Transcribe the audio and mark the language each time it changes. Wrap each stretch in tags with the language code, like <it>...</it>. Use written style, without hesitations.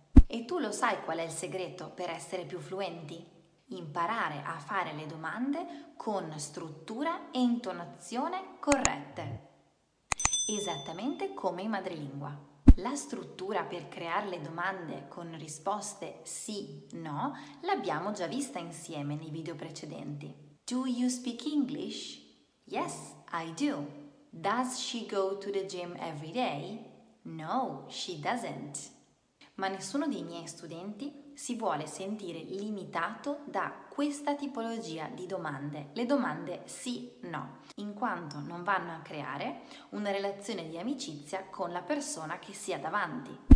<it>E tu lo sai qual è il segreto per essere più fluenti? Imparare a fare le domande con struttura e intonazione corrette. Esattamente come in madrelingua. La struttura per creare le domande con risposte sì, no, l'abbiamo già vista insieme nei video precedenti.</it> <en>Do you speak English? Yes, I do. Does she go to the gym every day? No, she doesn't.</en> <it>Ma nessuno dei miei studenti si vuole sentire limitato da questa tipologia di domande, le domande sì, no, in quanto non vanno a creare una relazione di amicizia con la persona che sia davanti.</it>